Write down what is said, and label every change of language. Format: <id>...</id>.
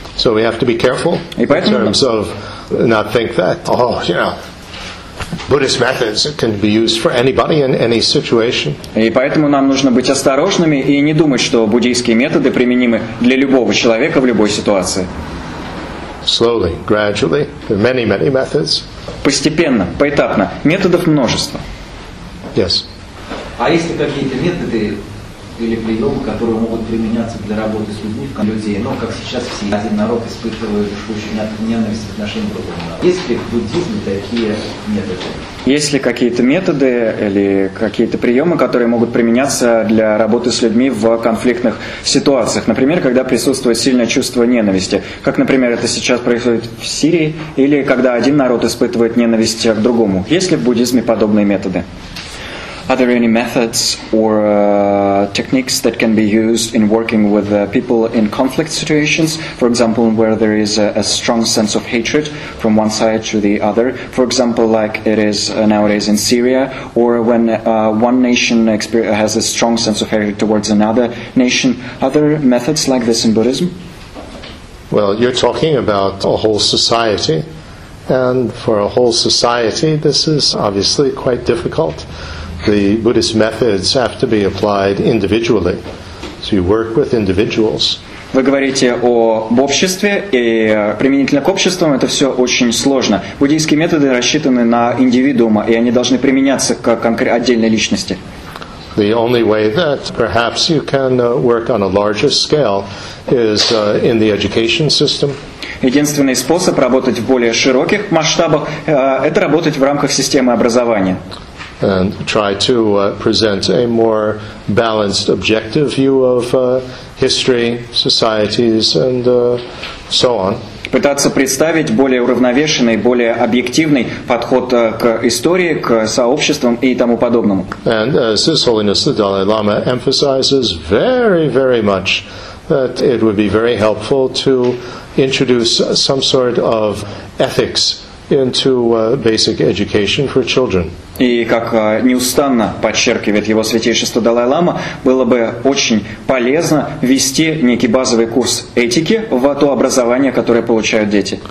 <en>So we have to be careful in terms of not think that, oh, you know, Buddhist methods can be used for anybody in any situation.</en> <ru>И поэтому нам нужно быть осторожными и не думать, что буддийские методы применимы для любого человека в любой ситуации.</ru> <en>Slowly, gradually, there are many, many methods.</en> <ru>Постепенно, поэтапно, методов множество.</ru> <en>Yes.</en> <ru>А есть ли какие-то методы или приемы, которые могут применяться для работы с людьми, как людей, но как сейчас все один народ испытывает жгучую ненависть в отношении другого народа? Есть ли в буддизме такие методы? Есть ли какие-то методы или какие-то приемы, которые могут применяться для работы с людьми в конфликтных ситуациях? Например, когда присутствует сильное чувство ненависти. Как, например, это сейчас происходит в Сирии, или когда один народ испытывает ненависть к другому. Есть ли в буддизме подобные методы?</ru> <en>Are there any methods or techniques that can be used in working with people in conflict situations? For example, where there is a strong sense of hatred from one side to the other. For example, like it is nowadays in Syria, or when one nation has a strong sense of hatred towards another nation. Are there methods like this in Buddhism? Well, you're talking about a whole society. And for a whole society, this is obviously quite difficult. The Buddhist methods have to be applied individually. So you work with individuals.</en> <ru>Вы говорите об обществе, и применительно к обществам это все очень сложно. Буддийские методы рассчитаны на индивидуума, и они должны применяться к отдельной личности.</ru> <en>The only way that perhaps you can work on a larger scale is in the education system.</en> <ru>Единственный способ работать в более широких масштабах это работать в рамках системы образования.</ru> <en>And try to present a more balanced, objective view of history, societies, and so on.</en> <ru>Пытаться представить более уравновешенный, более объективный подход к истории, к сообществам и тому подобному.</ru> <en>And as His Holiness the Dalai Lama emphasizes very, very much, that it would be very helpful to introduce some sort of ethics into basic education for children.</en> <ru>И как неустанно подчеркивает его святейшество Далай-лама, было бы очень полезно ввести некий базовый курс этики в то образование, которое получают дети.</ru>